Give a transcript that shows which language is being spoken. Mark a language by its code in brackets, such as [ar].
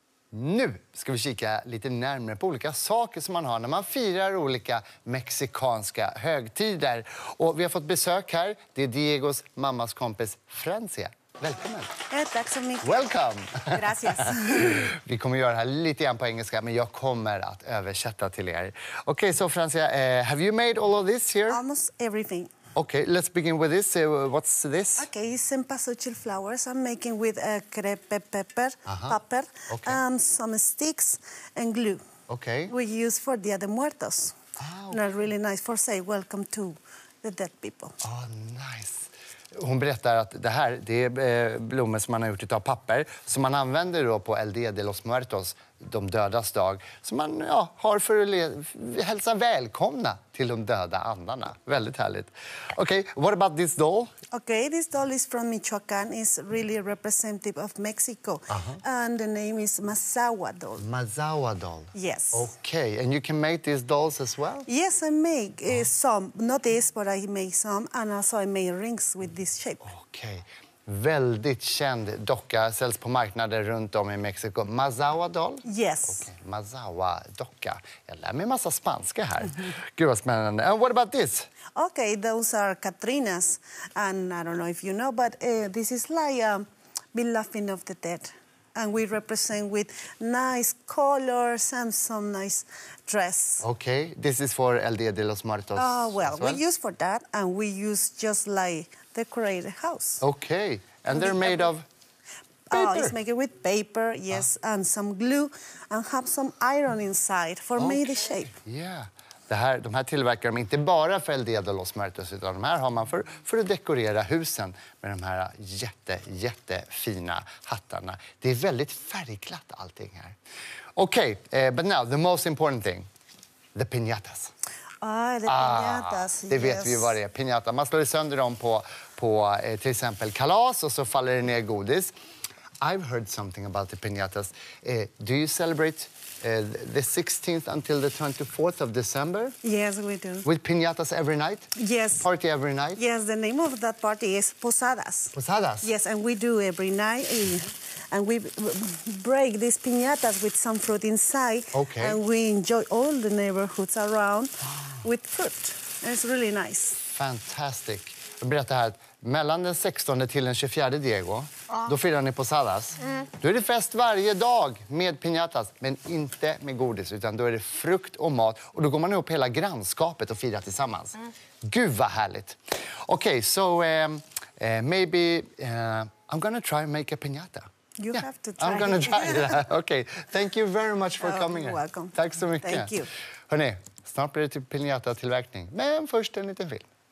[sv] Nu ska vi kika lite närmare på olika saker som man har när man firar olika mexikanska högtider. Och vi har fått besök här. Det är Diegos mammas kompis Francia. Välkommen. Tack så mycket. [en] Welcome. [es] Gracias. [sv] Vi kommer göra det här lite grann på engelska, men jag kommer att översätta till er. [en] Okej, okay, så Francia, have you made all of this here? Almost everything. Okay, let's begin with this. What's this? Okay, cempasúchil flowers. I'm making with a crepe pepper, pepper, okay. Some sticks and glue. Okay. We use for Día de Muertos. Oh. And really nice for say welcome to the dead people. Oh, nice. [sv] Hon berättar att det här det är blommor som man har gjort av papper som man använder då på El Día de los Muertos, de dödas dag, som man ja, har för att hälsa välkomna till de döda andarna. Väldigt härligt. [en] Okay, what about this doll? Okay, this doll is from Michoacán. It's really representative of Mexico. Uh-huh. And the name is Mazahua doll. Mazahua doll? Yes. Okay, and you can make these dolls as well? Yes, I make some. Not this, but I make some. And also I make rings with this shape. Okay. [sv] Väldigt känd docka, säljs på marknader runt om i Mexiko. [en] Mazahua doll? Yes. [sv] Okay. Mazahua docka. Jag lär mig massa spanska här. Gud vad spännande. [en] And what about this? Okay, those are Katrinas. And I don't know if you know, but this is like me laughing of the dead. And we represent with nice colors and some nice dress. Okay, this is for El Día de los Muertos. Well, we use for that and we use just like decorate a house. Okay, and they're made of paper. Oh, it's made with paper, yes, and some glue and have some iron inside for me the shape. Yeah. [sv] De här tillverkar de inte bara för El Día de los Muertos, utan de här har man för att dekorera husen med de här jättefina hattarna. Det är väldigt färgglatt allting här. [en] Okej, but now, the most important thing. The piñatas. Piñatas, [sv] det vet vi ju vad det är, piñata. Man slår sönder dem på till exempel kalas och så faller det ner godis. [en] I've heard something about the piñatas. Do you celebrate the 16th until the 24th of December? Yes, we do. With piñatas every night? Yes. Party every night? Yes, the name of that party is Posadas. Posadas? Yes, and we do every night. And we break these piñatas with some fruit inside. Okay. And we enjoy all the neighborhoods around with fruit. And it's really nice. Fantastic. [sv] Jag berättar här att mellan den 16 till den 24 Diego, då firar ni Posadas. Mm. Då är det fest varje dag med piñatas, men inte med godis, utan då är det frukt och mat. Och då går man upp hela grannskapet och firar tillsammans. Mm. Gud vad härligt. [en] Okej, okay, so maybe I'm gonna try make a piñata. You yeah, have to try. I'm gonna try that. Okay, thank you very much for coming. You're welcome. [sv] Tack så mycket. [en] Thank you. [sv] Hörrni, snart blir det till piñata-tillverkning. Men först en liten film.